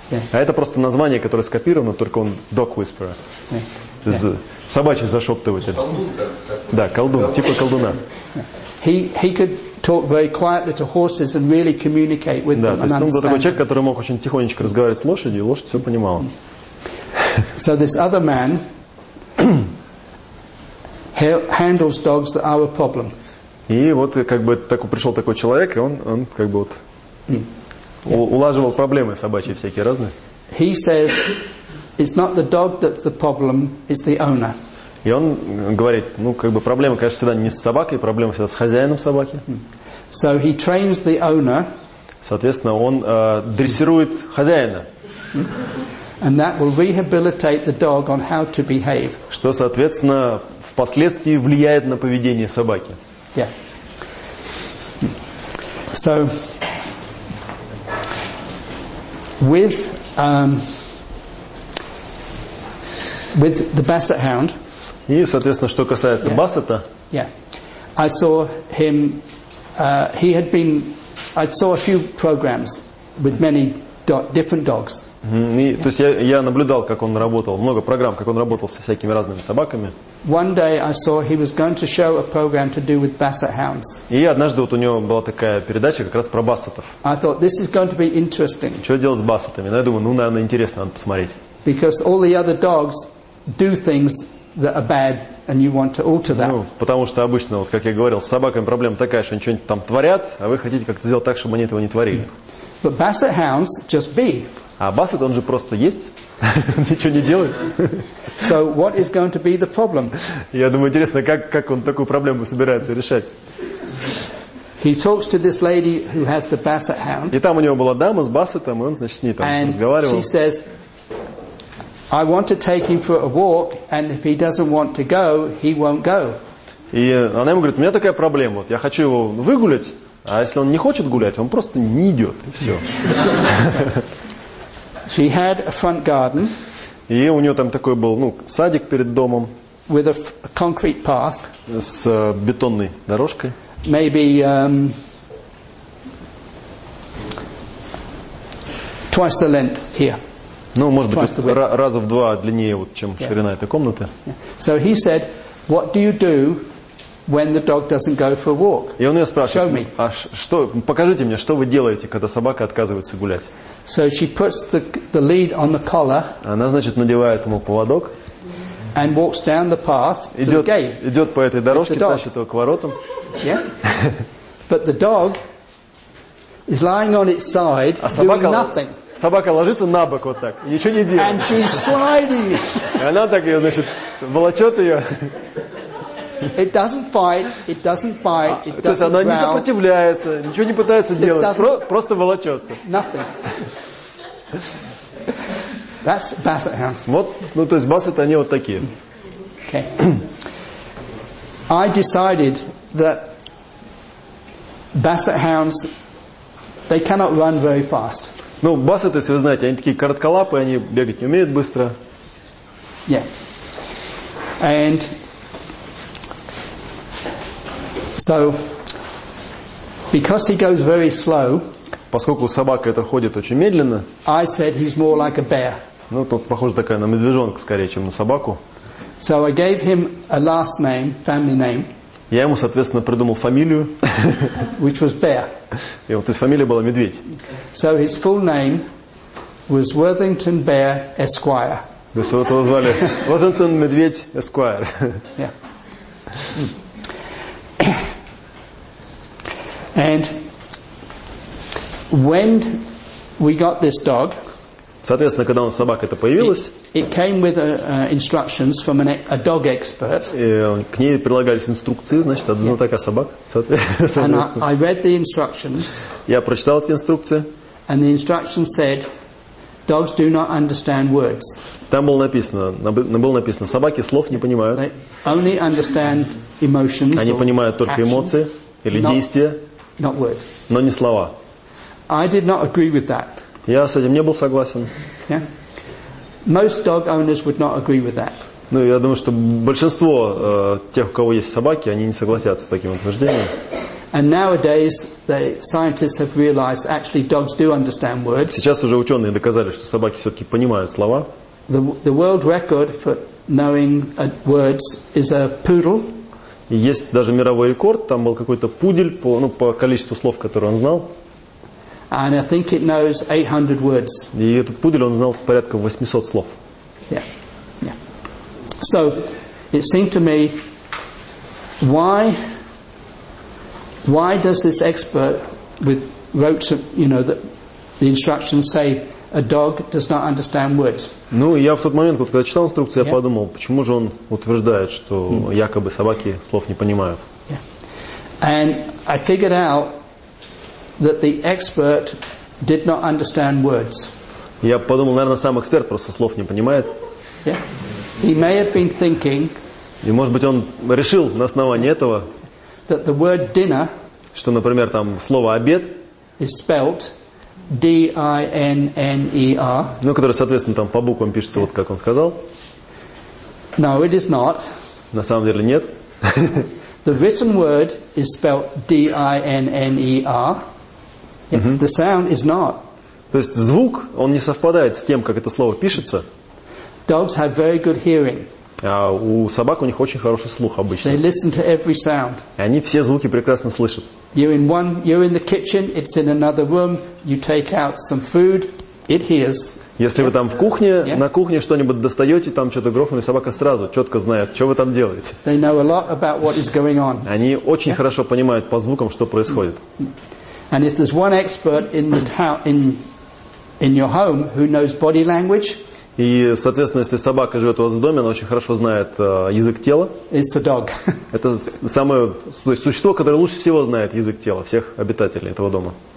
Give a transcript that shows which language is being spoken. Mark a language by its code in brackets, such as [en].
[ru] Yeah. А это просто название, которое скопировано, только он Dog Whisperer. Yeah. То есть yeah. Собачий зашептыватель. Колдун, такой. Да, колдун, типа колдуна. [en] He could talk very quietly to horses and really communicate with them. [ru] Да, то есть он был такой человек, который мог очень тихонечко разговаривать с лошадью, и лошадь все понимала. [en] So this other man handles dogs that are a problem. [ru] И вот как бы такой пришел такой человек, и он как бы вот улаживал проблемы собачьи всякие разные. [en] He says it's not the dog that's the problem, it's the owner. [ru] И он говорит, ну как бы проблема, конечно, всегда не с собакой, проблема всегда с хозяином собаки. [en] So he trains the owner. [ru] Соответственно, он дрессирует хозяина. [en] And that will rehabilitate the dog on how to behave. [ru] Что, соответственно, впоследствии влияет на поведение собаки. [en] Yeah. So with with the Basset Hound. [ru] И, соответственно, что касается Бассета. [en] Yeah. I saw him. He had been. I saw a few programs with many different dogs. Mm-hmm. Yeah. [ru] То есть я наблюдал, как он работал, много программ, как он работал со всякими разными собаками. [en] One day I saw he was going to show a program to do with Basset Hounds. [ru] И однажды вот у него была такая передача как раз про бассетов. [en] I thought this is going to be interesting. [ru] Что делать с бассетами? Ну, я думаю, ну, наверное, интересно, надо посмотреть. [en] Because all the other dogs do things that are bad, and you want to alter that. [ru] Ну, потому что обычно, вот как я говорил, с собаками проблема такая, что они что-нибудь там творят, а вы хотите как-то сделать так, чтобы они этого не творили. [en] But Basset Hounds just be. [ru] А Бассет, он же просто есть, ничего не делает. [en] So what is going to be the problem? [ru] Я думаю, интересно, как он такую проблему собирается решать. [en] He talks to this lady who has the Basset Hound. [ru] И там у него была дама с Бассетом, и он, значит, с ней там [en] and [ru] разговаривал. [en] And she says, I want to take him for a walk, and if he doesn't want to go, he won't go. [ru] И она ему говорит, у меня такая проблема, вот я хочу его выгулять, а если он не хочет гулять, он просто не идет, и все. [en] She had a front garden. [ru] И у нее там такой был, ну, садик перед домом. [en] With a concrete path. [ru] С бетонной дорожкой. [en] Maybe twice the length here. [ru] Ну, может быть, раза в два длиннее, вот, чем ширина этой комнаты. [en] So he said, what do you do when the dog doesn't go for a walk? [ru] И он ее спрашивает, а что, покажите мне, что вы делаете, когда собака отказывается гулять? [en] So she puts the lead on the collar. [ru] Она, значит, надевает ему поводок. [en] And walks down the path [ru] идет, [en] to the gate. [ru] Идет по этой дорожке, тащит его к воротам. [en] Yeah. But the dog is lying on its side, [ru] а собака, [en] doing nothing. [ru] Собака ложится на бок вот так, ничего не делает. [en] And she's sliding. [ru] И она так ее, значит, волочет ее. [en] It doesn't fight, it doesn't bite, it doesn't growl. [ru] То есть она не сопротивляется, ничего не пытается делать, просто волочется. [en] Nothing. That's Basset Hounds. [ru] Вот, ну то есть Бассет, они вот такие. [en] Okay. I decided that Basset Hounds, they cannot run very fast. [ru] Ну, Бассет, если вы знаете, они такие коротколапые, они бегать не умеют быстро. [en] Yeah. And so, because he goes very slow, [ru] поскольку собака эта ходит очень медленно, [en] I said he's more like a bear. [ru] Ну, тут похоже такая на медвежонка скорее, чем на собаку. [en] So I gave him a last name, family name. [ru] Я ему, соответственно, придумал фамилию. [en] Which was Bear. [ru] И вот, то есть фамилия была Медведь. [en] So his full name was Worthington Bear Esquire. [ru] То есть вот его звали Worthington Медведь Esquire. [en] And when we got this dog, [ru] Соответственно, когда у собак это появилось, [en] it came with instructions from a dog expert. [ru] К ней прилагались инструкции, значит, от знатока собак, соответственно. [en] And I read the instructions. [ru] Я прочитал эти инструкции. [en] And the instructions said, dogs do not understand words. [ru] Там было написано, собаки слов не понимают. [en] They only understand emotions. [ru] Они понимают только эмоции или действия, [en] not words. [ru] Но не слова. [en] I did not agree with that. [ru] Я с этим не был согласен. [en] Yeah. Most dog owners would not agree with that. [ru] Ну, я думаю, что большинство тех, у кого есть собаки, они не согласятся с таким утверждением. [en] And nowadays, the scientists have realized actually dogs do understand words. [ru] Сейчас уже ученые доказали, что собаки все-таки понимают слова. [en] The world record for knowing words is a poodle. [ru] Есть даже мировой рекорд, там был какой-то пудель по, ну, по количеству слов, которые он знал. [en] And I think it knows 800 words. [ru] И этот пудель он знал порядка 800 слов. [en] Yeah. Yeah. So it seemed to me, why does this expert with wrote, you know, the instructions say a dog does not understand words? [ru] Ну, я в тот момент, когда читал инструкции, я подумал, почему же он утверждает, что якобы собаки слов не понимают? [en] Yeah. And I figured out that the expert did not understand words. [ru] Я подумал, наверное, сам эксперт просто слов не понимает. [en] Yeah. He may have been thinking. [ru] И может быть, он решил на основании этого, [en] that the word dinner, [ru] что, например, там слово обед, [en] is spelled D-I-N-N-E-R. [ru] Ну, которое, соответственно, там по буквам пишется, вот как он сказал. [en] No, it is not. [ru] На самом деле нет. [en] The written word is spelled D-I-N-N-E-R. Mm-hmm. The sound is not. [ru] То есть звук, он не совпадает с тем, как это слово пишется. [en] Dogs have very good hearing. [ru] А у собак у них очень хороший слух обычно. [en] They listen to every sound. [ru] И они все звуки прекрасно слышат. [en] You're in the kitchen, it's in another room. You take out some food, it hears. [ru] Если вы там в кухне, на кухне что-нибудь достаете, там что-то грохнули, собака сразу четко знает, что вы там делаете. [en] They know a lot about what is going on. [ru] Они очень хорошо понимают по звукам, что происходит. [en] And if there's one expert in your home who knows body language, [ru] и, соответственно, если собака живет у вас в доме, она очень хорошо знает язык тела. [en] It's the dog. [ru] Это самое, то есть существо, которое лучше всего знает язык тела всех обитателей этого дома.